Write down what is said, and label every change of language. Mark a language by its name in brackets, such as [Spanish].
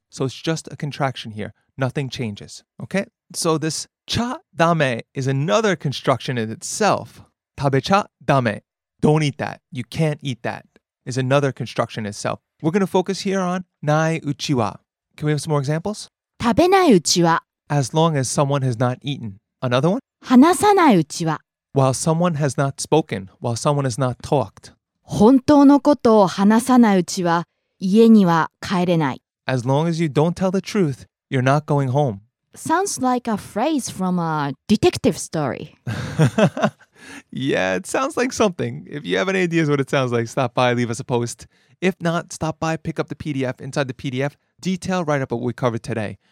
[English] so it's just a contraction here nothing changes okay so this cha dame is another construction in itself [Japanese] tabe cha dame [English] don't eat that you can't eat that is another construction itself we're going to focus here on nai uchi wa can we have some more examples [Japanese] tabe nai uchi wa [English] as long as someone has not eaten another one [Japanese] hanasanai uchi wa [English] while someone has not spoken while someone has not talked [Japanese] 本当のことを話さないうちは家には帰れない [English] as long as you don't tell the truth you're not going home Sounds like a phrase from a detective story. Yeah, it sounds like something. If you have any ideas what it sounds like, stop by, leave us a post. If not, stop by, pick up the PDF. Inside the PDF, detailed write-up of what we covered today.